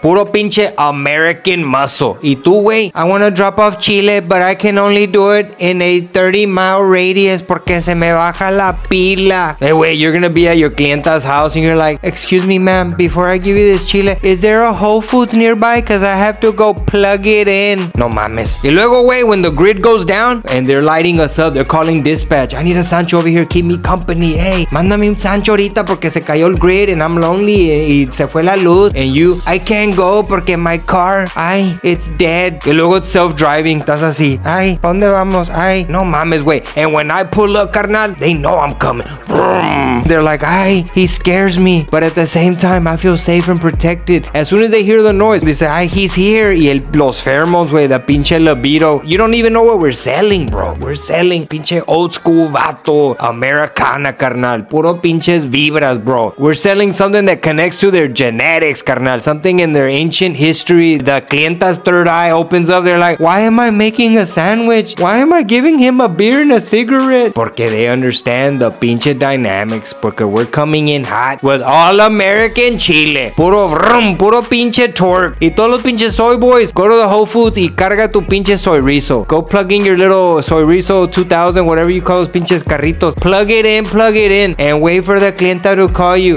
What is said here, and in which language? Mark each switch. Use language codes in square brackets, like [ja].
[es] Puro pinche [en] American muscle. [es] Y tú, güey, [en] I want to drop off Chile, but I can only do it in a 30-mile radius [es] porque se me baja la pila. [en] Hey, wait, you're going to be at your clienta's house and you're like, excuse me, ma'am, before I give you this Chile, is there a Whole Foods nearby? Because I have to go plug it in. [es] No mames. Y luego, güey, [en] when the grid goes down and they're lighting us up, they're calling this. Dispatch, I need a Sancho over here. Keep me company. [es] Hey, mándame un Sancho ahorita porque se cayó el grid [en] and I'm lonely [es] y se fue la luz. [en] And you, I can't go porque my car, ay, it's dead. [es] Y luego [en] it's self-driving. [es] Estás así. Ay, ¿a dónde vamos? Ay, no mames, güey. [en] And when I pull up, carnal, they know I'm coming. They're like, ay, he scares me. But at the same time, I feel safe and protected. As soon as they hear the noise, they say, ay, he's here. [es] Y el, los [en] pheromones, güey, the pinche libido. You don't even know what we're selling, bro. We're selling pinche old school vato, Americana, carnal. [es] Puro pinches vibras, [en] bro. We're selling something that connects to their genetics, carnal. Something in their ancient history. The clienta's third eye opens up. They're like, why am I making a sandwich? Why am I giving him a beer and a cigarette? Porque they understand the pinche dynamics. Porque we're coming in hot with all American chile. [es] Puro vroom, puro pinche torque. Y todos los pinches soy boys, [en] go to the Whole Foods [es] y carga tu pinche soy rizo. [en] Go plug in your little soy rizo 2000, whatever you call those [es] pinches carritos. [en] Plug it in, plug it in, and wait for the clienta to call you.